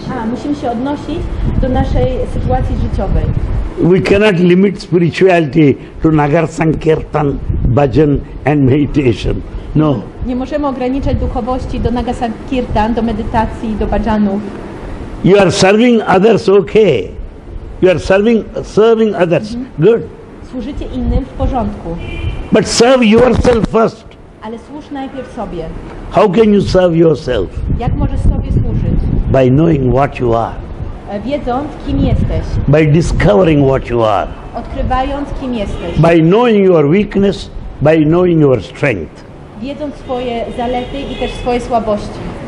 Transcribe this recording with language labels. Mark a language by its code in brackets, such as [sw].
[pl] Musimy się odnosić do naszej sytuacji życiowej. [en] We cannot limit spirituality to nagar sankirtan, bhajan and meditation. No. [pl] Nie możemy ograniczać duchowości do nagar sankirtan, do medytacji, do bhajanów. [en] You are serving others, okay. You are serving others, good. [pl] Służycie innym, w porządku. [en] But serve yourself first. [pl] Ale służ najpierw sobie. [en] How can you serve yourself? [pl] Jak możesz sobie służyć? [en] By knowing what you are. [pl] Wiedząc, kim jesteś. [en] By discovering what you are. [pl] Odkrywając, kim jesteś. [en] By knowing your weakness, by knowing your strength. [pl] Wiedząc swoje zalety i też swoje słabości.